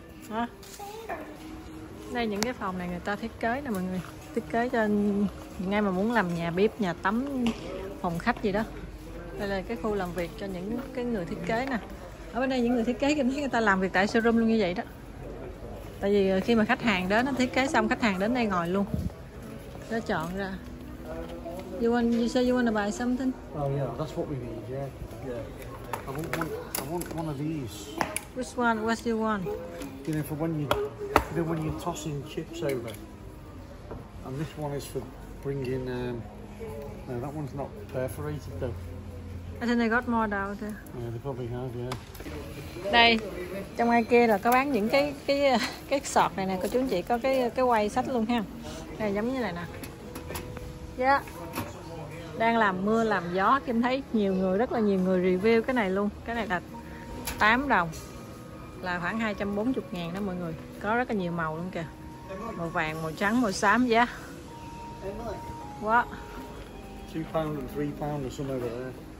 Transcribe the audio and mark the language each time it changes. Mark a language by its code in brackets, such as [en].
[vi] Hả? Đây những cái phòng này người ta thiết kế nè mọi người, thiết kế cho những ai mà muốn làm nhà bếp, nhà tắm, phòng khách gì đó. Đây là cái khu làm việc cho những cái người thiết kế nè. Ở bên đây những người thiết kế kinh thấy người ta làm việc tại showroom luôn như vậy đó. Tại vì khi mà khách hàng đến, nó thiết kế xong khách hàng đến đây ngồi luôn. Nó chọn ra. [en] You say you want to buy something? Oh yeah, that's what we need, yeah. Yeah. I want one of these. Which one? What do you want? You know, for when you're tossing chips over. And this one is for bringing, no, that one's not perforated though. I think they got more down there. Yeah, they probably have, yeah. [vi] Đây, trong ngoài kia là có bán những cái sọt này nè, cô chú anh chị có cái quay sách luôn ha. Này giống như này nè. Yeah. Đang làm mưa làm gió, Kim thấy nhiều người, rất là nhiều người review cái này luôn. Cái này là 8 đồng, là khoảng 240 ngàn đó mọi người. Có rất là nhiều màu luôn kìa. Màu vàng, màu trắng, màu xám, yeah. [en] What? 2 pound and 3 pound or something over there.